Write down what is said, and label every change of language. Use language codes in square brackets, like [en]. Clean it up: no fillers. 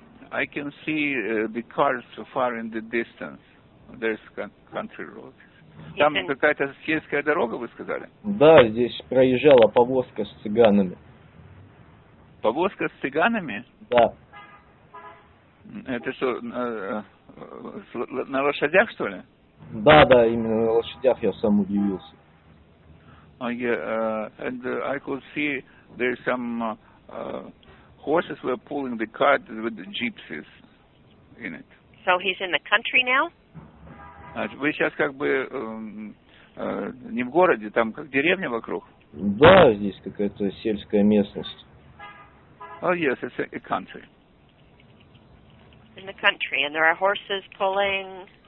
[en] I can see the cars so far in the distance. There's country roads. [ru] Там какая-то сельская дорога, вы сказали? Да, здесь проезжала повозка с цыганами. Повозка с цыганами? Да. Это что, на лошадях, что ли? Да, да, именно на лошадях, я сам удивился. [en] I could see there's some horses were pulling the cart with the gypsies in it. So he's in the country now? [ru] Вы сейчас как бы не в городе, там как деревня вокруг? Да, здесь какая-то сельская местность. [en] Oh, yes, it's a country. In the country, and there are horses pulling...